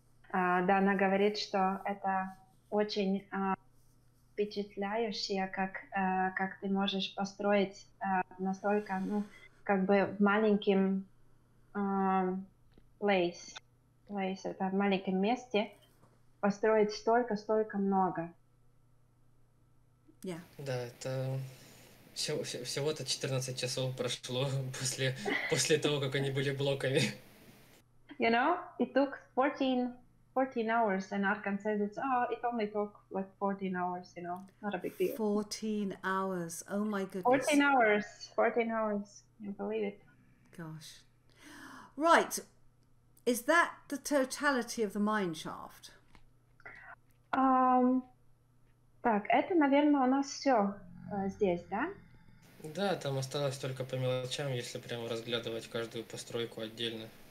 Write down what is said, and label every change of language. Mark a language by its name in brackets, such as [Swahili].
[Russian] Дана говорит, что это очень... впечатляющее, как ты можешь построить настолько, ну, как бы в маленьком place, это в маленьком месте, построить столько много. [English] Yeah. [Russian] Да, это всего-то 14 часов прошло после того, как они были блоками. [English] You know, it took 14 hours, and Arkan says it only took like 14 hours, you know, not a big deal. 14 hours, oh my goodness. 14 hours, you believe it. Gosh. Right, is that the totality of the mine shaft? [Russian] Так, это, наверное, у нас всё здесь, да? Да, там осталось только по мелочам, если прямо разглядывать каждую постройку отдельно.